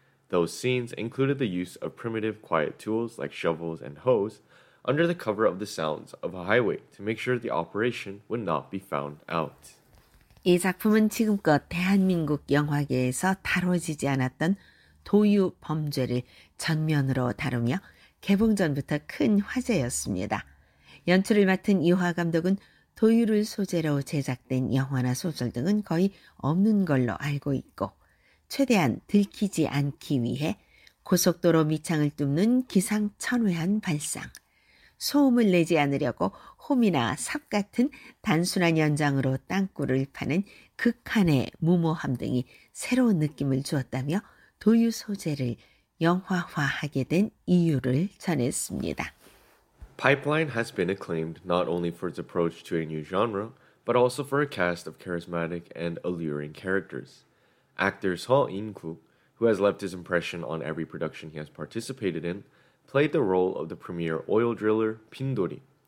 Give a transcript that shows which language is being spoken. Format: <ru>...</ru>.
<en>Those scenes included the use of primitive quiet tools like shovels and hoes under the cover of the sounds of a highway to make sure the operation would not be found out.</en> <ko>이 작품은 지금껏 대한민국 영화계에서 다뤄지지 않았던 도유 범죄를 전면으로 다루며 개봉 전부터 큰 화제였습니다. 연출을 맡은 유화 감독은 도유를 소재로 제작된 영화나 소설 등은 거의 없는 걸로 알고 있고 최대한 들키지 않기 위해 고속도로 밑창을 뚫는 기상천외한 발상, 소음을 내지 않으려고 홈이나 삽 같은 단순한 연장으로 땅굴을 파는 극한의 무모함 등이 새로운 느낌을 주었다며 도유 소재를 영화화하게 된 이유를 전했습니다.</ko> <en>Pipeline has been acclaimed not only for its approach to a new genre, but also for a cast of charismatic and alluring characters. Actors Ha In-kook, who has left his impression on every production he has participated in, played the role of the premier oil driller, Pindori.</en>